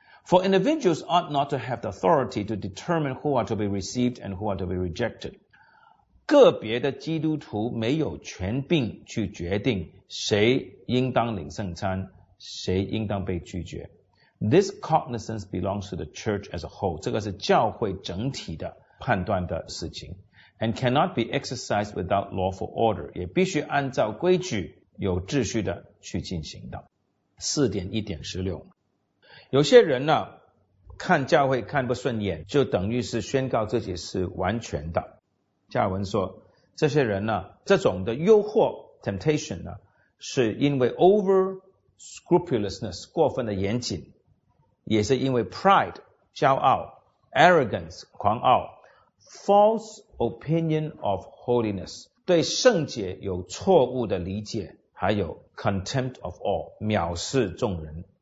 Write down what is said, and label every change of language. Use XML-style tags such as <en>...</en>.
<en>For individuals ought not to have the authority to determine who are to be received and who are to be rejected.</en> <zh>个别的基督徒没有权柄去决定谁应当领圣餐，谁应当被拒绝。</zh> <en>This cognizance belongs to the church as a whole.</en> <zh>这个是教会整体的判断的事情。</zh> <en>And cannot be exercised without lawful order.</en> <zh>也必须按照规矩有秩序的去进行的。 4.1.16有些人呢，看教会看不顺眼，就等于是宣告自己是完全的。加尔文说，这些人呢，这种的诱惑 temptation 呢，是因为</zh> <en>over scrupulousness</en> <zh>过分的严谨，也是因为 pride 骄傲 arrogance 狂傲</zh> <en>false opinion of holiness</en> <zh>对圣洁有错误的理解，还有</zh> <en>contempt of all</en> <zh>藐视众人。</zh>